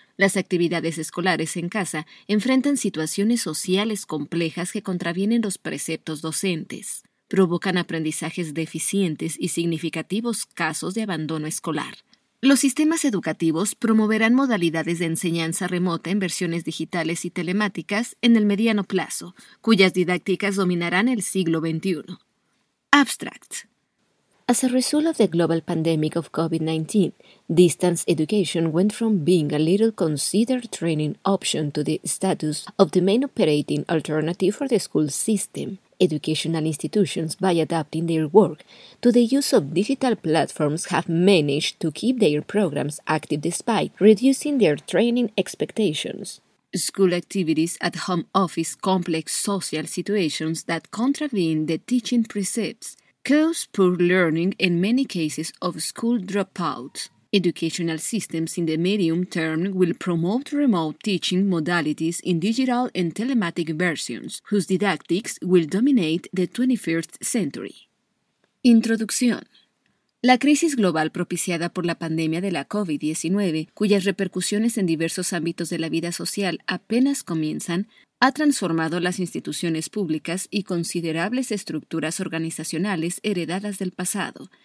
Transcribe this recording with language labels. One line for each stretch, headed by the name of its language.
Spanish: Las actividades escolares en casa enfrentan situaciones sociales complejas que contravienen los preceptos docentes, provocan aprendizajes deficientes y significativos casos de abandono escolar. Los sistemas educativos promoverán modalidades de enseñanza remota en versiones digitales y telemáticas en el mediano plazo, cuyas didácticas dominarán el siglo XXI.
English: Abstract. As a result of the global pandemic of COVID-19, distance education went from being a little considered training option to the status of the main operating alternative for the school system. Educational institutions, by adapting their work to the use of digital platforms, have managed to keep their programs active despite reducing their training expectations. School activities at home office complex social situations that contravene the teaching precepts cause poor learning and many cases of school dropout. Educational systems in the medium term will promote remote teaching modalities in digital and telematic versions, whose didactics will dominate the 21st century.
Spanish: Introducción. La crisis global propiciada por la pandemia de la COVID-19, cuyas repercusiones en diversos ámbitos de la vida social apenas comienzan, ha transformado las instituciones públicas y considerables estructuras organizacionales heredadas del pasado.